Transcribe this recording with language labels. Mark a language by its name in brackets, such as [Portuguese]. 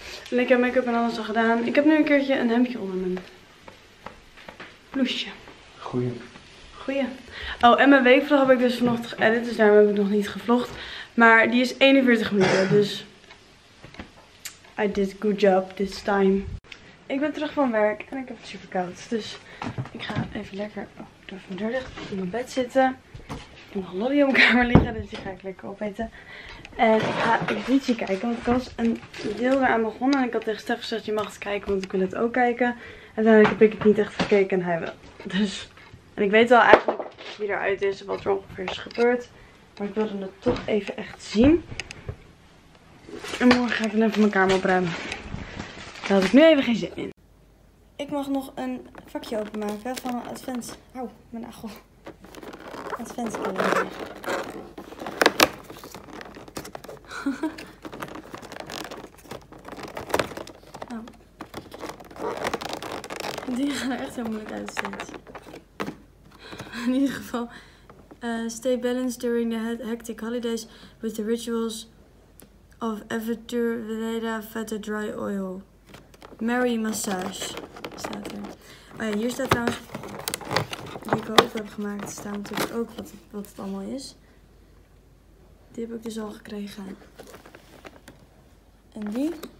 [Dutch] En ik heb make-up en alles al gedaan. Ik heb nu een keertje een hemdje onder mijn bloesje. Goeie. Goeie. Oh, en mijn weekvlog heb ik dus vanochtend geëdit, dus daarom heb ik nog niet gevlogd. Maar die is 41 minuten, dus [English] I did a good job this time. [Dutch] Ik ben terug van werk en ik heb het super koud. Dus ik ga even lekker door mijn deur dicht in mijn bed zitten. Ik heb nog een lolly op mijn kamer liggen, dus die ga ik lekker opeten. En ik ga Eurovisie kijken, want ik was een deel eraan begonnen. En ik had tegen Stef gezegd, je mag het kijken, want ik wil het ook kijken. En uiteindelijk heb ik het niet echt gekeken en hij wel. Dus, en ik weet wel eigenlijk wie eruit is en wat er ongeveer is gebeurd. Maar ik wilde het toch even echt zien. En morgen ga ik dan even mijn kamer opruimen. Daar had ik nu even geen zin in. Ik mag nog een vakje openmaken van een advents. Au, mijn nagel. Adventskalender. Nou. Die gaan er echt heel moeilijk uit, sinds. In ieder geval. [English] Stay balanced during the hectic holidays with the rituals of Ayurveda Vata Dry Oil. [Dutch] Mary Massage staat er. Oh ja, hier staat trouwens, die ik ook heb gemaakt, staat natuurlijk ook wat het allemaal is. Die heb ik dus al gekregen. En die.